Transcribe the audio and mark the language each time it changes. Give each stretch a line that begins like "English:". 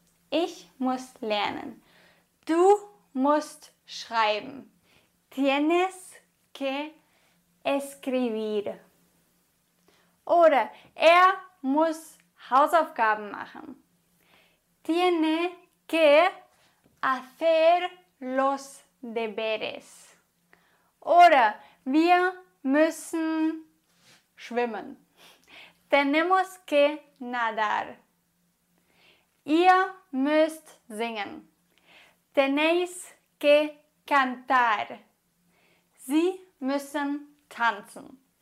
German: Ich muss lernen. Du musst schreiben.
Spanish: Tienes que escribir.
German: Oder er muss Hausaufgaben machen.
Spanish: Tiene que hacer los deberes.
German: Oder wir müssen schwimmen.
Spanish: Tenemos que nadar.
German: Ihr müsst singen.
Spanish: Tenéis que cantar.
German: Sie müssen tanzen.